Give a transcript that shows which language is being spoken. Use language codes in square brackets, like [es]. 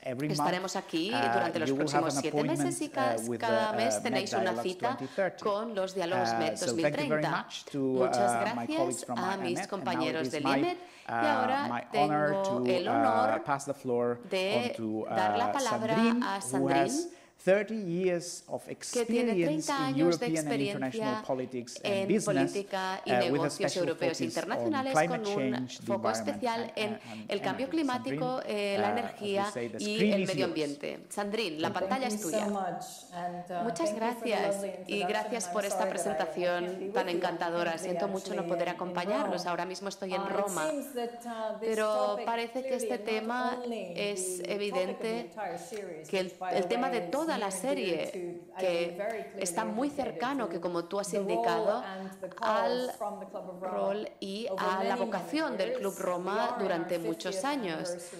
[es] Estaremos aquí durante los próximos 7 meses y cada mes tenéis una cita con los diálogos MED 2030. Muchas gracias a mis compañeros de lEMed y ahora tengo el honor de dar la palabra a Sandrine, [en] 30 years of experience in European and international politics and business, with a special focus on climate change, the environment, and energy. [es] Sandrine, la pantalla es tuya. Muchas gracias y gracias por esta presentación tan encantadora. Siento mucho no poder acompañarlos. Ahora mismo estoy en Roma, pero parece que este tema es evidente, que el tema de toda la serie, que está muy cercano, que como tú has indicado, al rol y a la vocación del Club Roma durante muchos años.